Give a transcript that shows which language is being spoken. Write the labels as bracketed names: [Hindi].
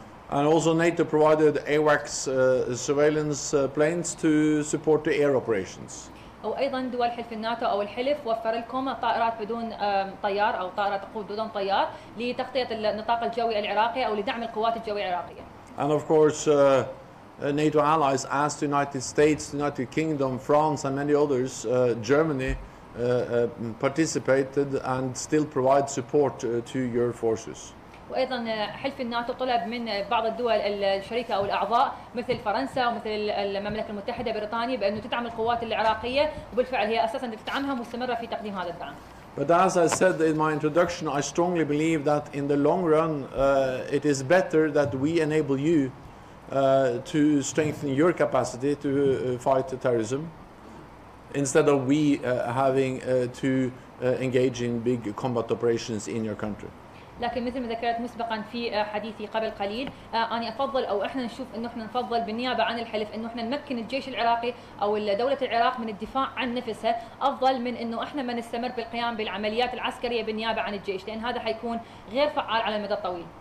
[English] And also NATO provided AWACS surveillance planes to support the air operations. [Arabic] او ايضا دول حلف الناتو او الحلف وفر لكم طائرات بدون طيار او طائره تقود بدون طيار لتغطيه النطاق الجوي العراقي او لدعم القوات الجويه العراقيه. [English] And of course NATO allies asked the United States, the United Kingdom, France and many others, Germany participated and still provide support to your forces. [Arabic] وايضا حلف الناتو طلب من بعض الدول الشريكه او الاعضاء مثل فرنسا ومثل المملكه المتحده بريطانيا بانه تدعم القوات العراقيه وبالفعل هي اساسا تدعمها مستمره في تقديم هذا الدعم. [English] But as I said in my introduction, I strongly believe that in the long run it is better that we enable you to strengthen your capacity to fight terrorism instead of we having to engage in big combat operations in your country. [Arabic] لكن مثل ما ذكرت مسبقا في حديثي قبل قليل انا افضل او احنا نشوف انه احنا نفضل بالنيابه عن الحلف انه احنا نمكن الجيش العراقي او دوله العراق من الدفاع عن نفسها افضل من انه احنا ما نستمر بالقيام بالعمليات العسكريه بالنيابه عن الجيش لان هذا حيكون غير فعال على المدى الطويل.